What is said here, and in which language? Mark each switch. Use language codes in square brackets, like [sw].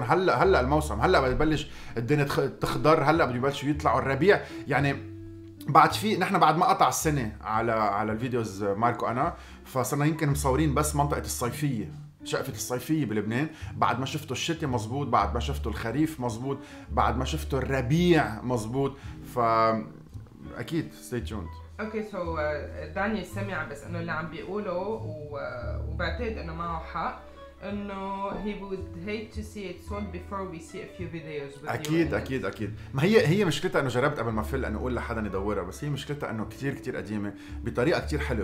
[ar] هلأ الموسم، هلأ بدي بلش الدنيا تخضر، هلأ بدي بلش يطلعوا الربيع يعني. بعد في نحن بعد ما قطع السنة على الفيديوز ماركو أنا، فصرنا يمكن مصورين بس منطقة الصيفية، شقفة الصيفية بلبنان. بعد ما شفتوا الشتاء مزبوط، بعد ما شفتوا الخريف مزبوط، بعد ما شفتوا الربيع مزبوط. فأكيد [en] stay tuned. Okay so [ar] داني سمع بس أنه اللي عم بيقوله وبعتقد أنه معه حق، انه [en] he would hate to see it sold before we see a few videos with [ar] أكيد [en] you. [ar] اكيد اكيد اكيد. ما هي مشكلتها انه جربت قبل ما فل انه اقول لحدا يدورها، بس هي مشكلتها انه كتير كتير قديمه بطريقه كتير حلوه.